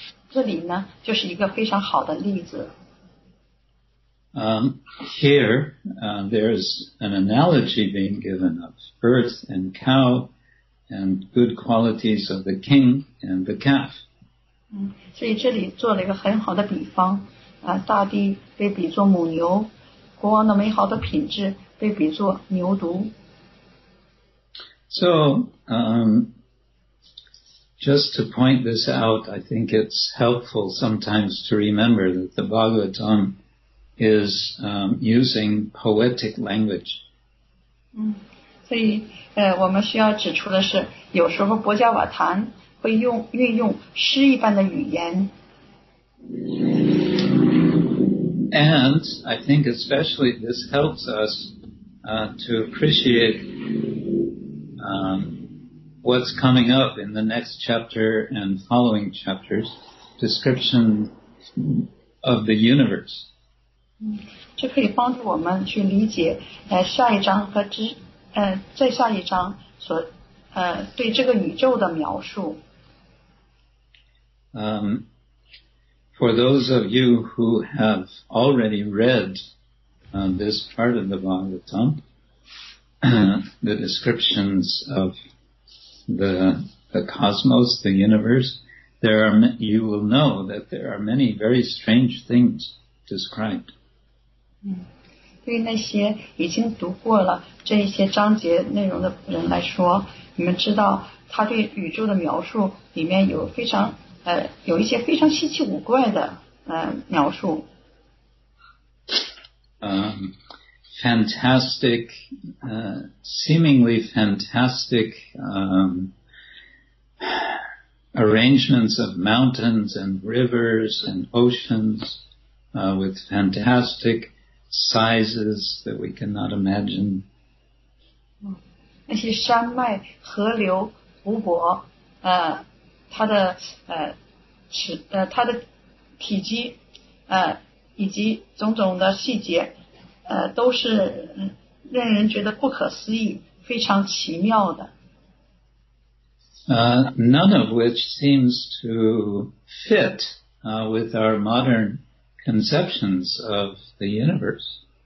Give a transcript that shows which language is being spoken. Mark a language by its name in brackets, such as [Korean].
[Chinese] 这里呢，就是一个非常好的例子。 [English] Here, there's an analogy being given of earth and cow and good qualities of the king and the calf. [Chinese] 所以这里做了一个很好的比方，大地被比作母牛，国王的美好的品质被比作牛犊。 [English] So, just to point this out, I think it's helpful sometimes to remember that the Bhagavatam is using poetic language. [Chinese] 所以我们需要指出的是，有时候博伽瓦坛会用运用诗一般的语言。 [English] And I think especially this helps us to appreciate what's coming up in the next chapter and following chapters, description of the universe. [Chinese] 这可以帮助我们去理解下一章和之再下一章所对这个宇宙的描述。 [English] For those of you who have already read this part of the Bhagavatam, the descriptions of the cosmos, the universe, you will know that there are many very strange things described. [Chinese] 对于那些已经读过了这一些章节内容的人来说，你们知道他对宇宙的描述里面有非常有一些非常稀奇古怪的描述。 [English] Fantastic, seemingly fantastic arrangements of mountains and rivers and oceans with fantastic sizes that we cannot imagine. [Chinese] 那些山脉、河流、湖泊，它的体积，以及种种的细节，都是让人觉得不可思议，非常奇妙的。 [English] None of which seems to fit with our modern conceptions of the universe.